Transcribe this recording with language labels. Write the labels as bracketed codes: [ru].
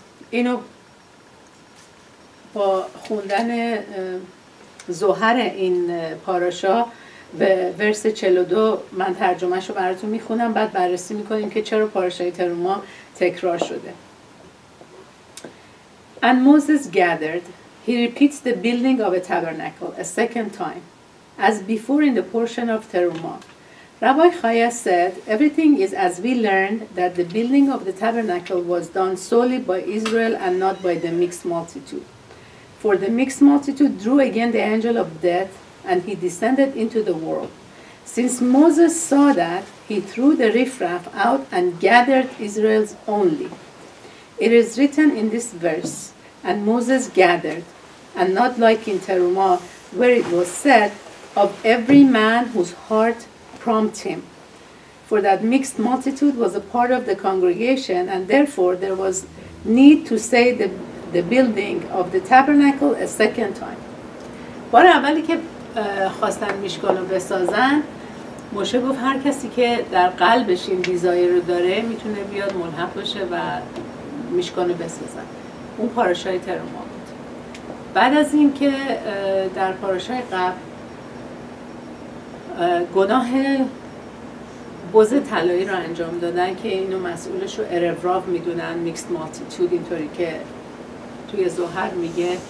[fa] اینو با خوندن ظهر این پاراشا به ورس 42 من ترجمهشو براتون میخونم، بعد بررسی میکنیم که چرا پاراشای تروما تکرار شده. [en] And Moses gathered, he repeats the building of a tabernacle a second time as before in the portion of Teruma. Rabbi Chaya said, everything is as we learned that the building of the tabernacle was done solely by Israel and not by the mixed multitude. For the mixed multitude drew again the angel of death and he descended into the world. Since Moses saw that, he threw the riffraff out and gathered Israel's only. It is written in this verse, and Moses gathered, and not like in Teruma where it was said, of every man whose heart prompted him. For that mixed multitude was a part of the congregation, and therefore there was need to say the building of the tabernacle a second time. [fa] بار اولی که خواستن میشکانو بسازن، موشه گفت هر کسی که در قلبش این دیزایر رو داره میتونه بیاد ملحق بشه و میشکانو بسازن. اون پاراشای تروما بود. بعد از این که در پاراشای قبل گناه بز طلایی رو انجام دادن که اینو مسئولش رو ارفراف میدونن، میکست مالتیتود، اینطوری که توی ظهر میگه